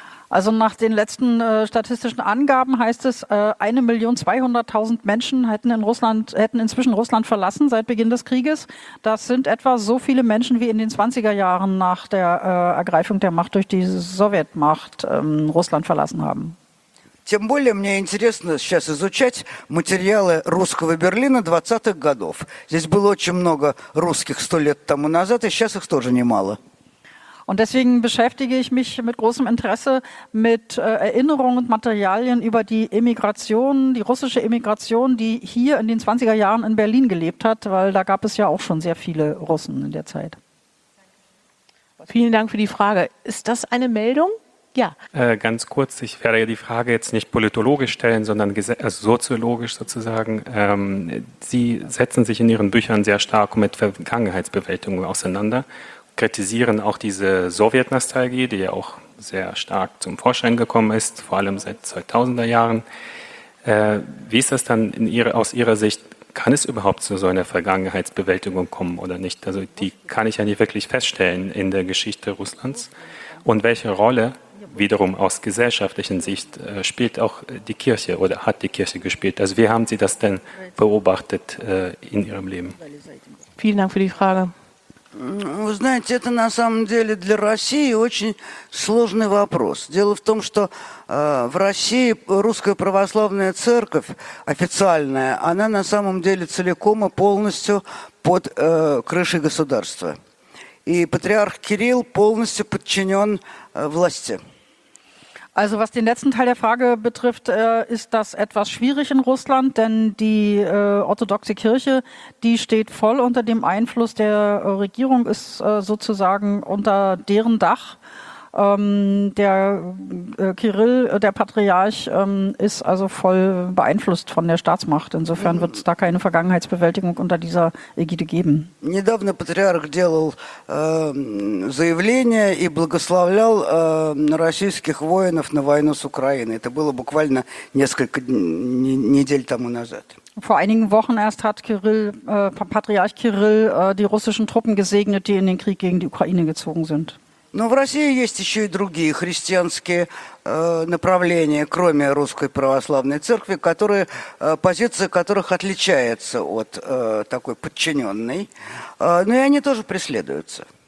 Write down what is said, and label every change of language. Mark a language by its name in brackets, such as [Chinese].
[German] Also nach den letzten statistischen Angaben heißt es, 1.200.000 Menschen hätten inzwischen Russland verlassen seit Beginn des Krieges. Das sind etwa so viele Menschen wie in den 20er Jahren nach der Ergreifung der Macht durch die Sowjetmacht Russland verlassen haben. [Russian] Тем более мне интересно сейчас изучать материалы русского Берлина 20-х годов. Здесь было очень много русских 100 лет тому назад, и сейчас их тоже немало. [German] Und deswegen beschäftige ich mich mit großem Interesse mit Erinnerungen und Materialien über die Emigration, die russische Emigration, die hier in den 20er Jahren in Berlin gelebt hat, weil da gab es ja auch schon sehr viele Russen in der Zeit. Vielen Dank für die Frage. Ist das eine Meldung? Ja. Ganz kurz, ich werde die Frage jetzt nicht politologisch stellen, sondern soziologisch sozusagen. Sie setzen sich in Ihren Büchern sehr stark mit Vergangenheitsbewältigung auseinander. Kritisieren auch diese Sowjetnostalgie, die ja auch sehr stark zum Vorschein gekommen ist, vor allem seit 2000er Jahren. Wie ist das dann aus Ihrer Sicht? Kann es überhaupt zu so einer Vergangenheitsbewältigung kommen oder nicht? Also die kann ich ja nicht wirklich feststellen in der Geschichte Russlands. Und welche Rolle wiederum aus gesellschaftlicher Sicht spielt auch die Kirche oder hat die Kirche gespielt? Also wie haben Sie das denn beobachtet in Ihrem Leben? Vielen Dank für die Frage. [Russian] Вы знаете, это на самом деле для России очень сложный вопрос. Дело в том, что в России Русская Православная Церковь официальная, она на самом деле целиком и полностью под крышей государства. И патриарх Кирилл полностью подчинен власти. [German] Also was den letzten Teil der Frage betrifft, ist das etwas schwierig in Russland, denn die orthodoxe Kirche, die steht voll unter dem Einfluss der Regierung, ist sozusagen unter deren Dach. Der Kirill, der Patriarch, ist also voll beeinflusst von der Staatsmacht. Insofern wird es da keine Vergangenheitsbewältigung unter dieser Ägide geben. [Russian] Недавно патриарх делал заявление и благословлял российских воинов на войну с Украиной. Это было буквально несколько недель тому назад. [German] Vor einigen Wochen erst hat Patriarch Kirill die russischen Truppen gesegnet, die in den Krieg gegen die Ukraine gezogen sind. [Russian] Но в России есть еще и другие христианские направления, кроме Русской Православной Церкви, которые, позиция которых отличается от такой подчиненной, но и они тоже преследуются.